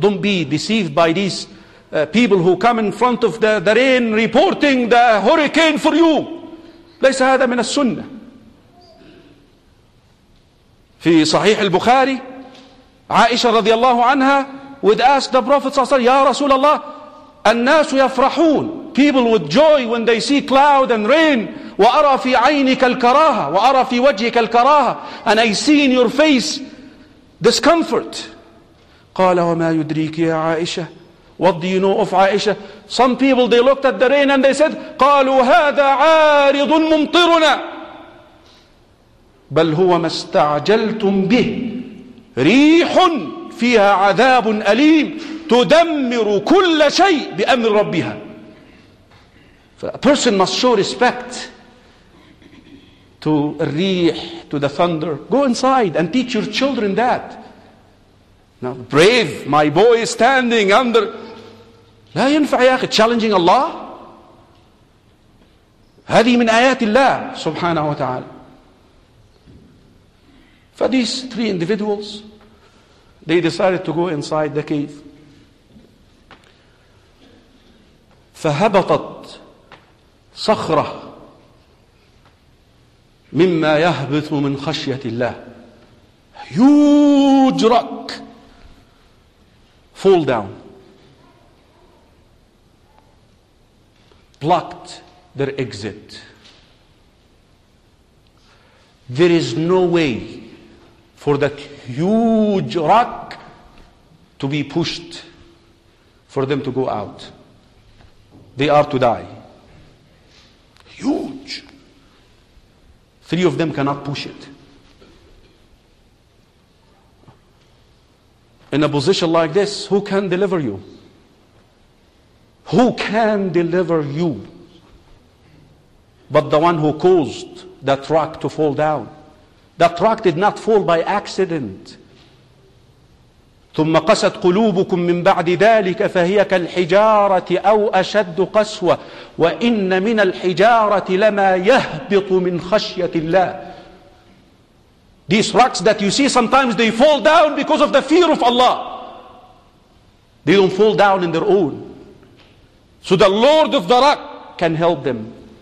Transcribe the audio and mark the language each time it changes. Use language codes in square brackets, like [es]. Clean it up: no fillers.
[en] Don't be deceived by these people who come in front of the rain reporting the hurricane for you. [ar] ليس هذا من السنة. في صحيح البخاري عائشة رضي الله عنها [en] would ask the Prophet ﷺ, [ar] يا رسول الله الناس يفرحون. [en] People with joy when they see cloud and rain. [ar] وأرى في عينك الكراهة. وأرى في وجهك الكراهة. [en] And I see in your face discomfort. [ar] قال وما يدريك يا عائشة. [en] What do you know of عائشة? Some people they looked at the rain and they said, [ar] قالوا هذا عارض ممطرنا. بل هو ما استعجلتم به. ريح فيها عذاب أليم. تدمر كل شيء بأمر ربها. [en] A person must show respect to الريح, to the thunder. Go inside and teach your children that. Now, brave, my boy is standing under. [ar] لا ينفع يا أخي, [en] challenging Allah. [ar] هذه من آيات الله سبحانه وتعالى. [en] For these three individuals, they decided to go inside the cave. [ar] فهبطت صخرة مما يهبط من خشية الله. [en] Huge rock fall down, blocked their exit. There is no way for that huge rock to be pushed for them to go out. They are to die. Huge. Three of them cannot push it. In a position like this, who can deliver you? Who can deliver you? But the one who caused that rock to fall down. That rock did not fall by accident. [ar] ثم قست قلوبكم من بعد ذلك فهي كالحجارة أو أشد قسوة وإن من الحجارة لما يهبط من خشية الله. [en] These rocks that you see sometimes they fall down because of the fear of Allah. They don't fall down in their own. So the Lord of the rock can help them.